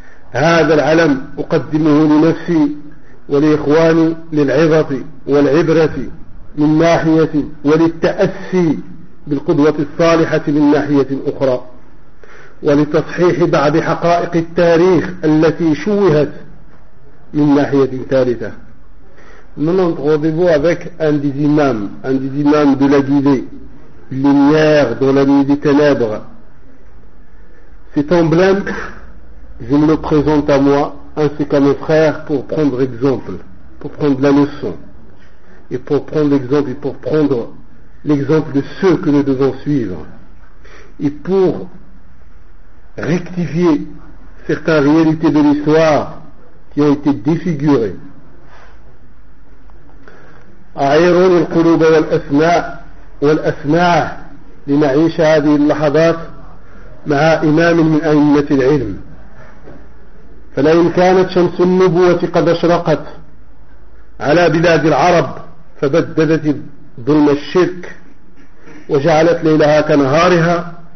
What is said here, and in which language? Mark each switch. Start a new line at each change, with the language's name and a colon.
Arabic: هذا العلم أقدمه لنفسي ولإخواني للعظة والعبرة من ناحية، وللتأسي بالقدوة الصالحة من ناحية أخرى، ولتصحيح بعض حقائق التاريخ التي شوهت من ناحية ثالثة.
French: Nous avons rendez-vous avec un des imams de la guidée, lumière dans la nuit des ténèbres. Cet emblème, je me le présente à moi ainsi qu'à mes frères pour prendre exemple, pour prendre la leçon, et pour prendre l'exemple et pour prendre l'exemple de ceux que nous devons suivre, et pour rectifier certaines réalités de l'histoire qui ont été défigurées.
Arabic: أعيرون القلوب والأسماء والأسماع لنعيش هذه اللحظات مع إمام من أئمة العلم. فلئن كانت شمس النبوة قد أشرقت على بلاد العرب فبددت ظلم الشرك وجعلت ليلها كنهارها،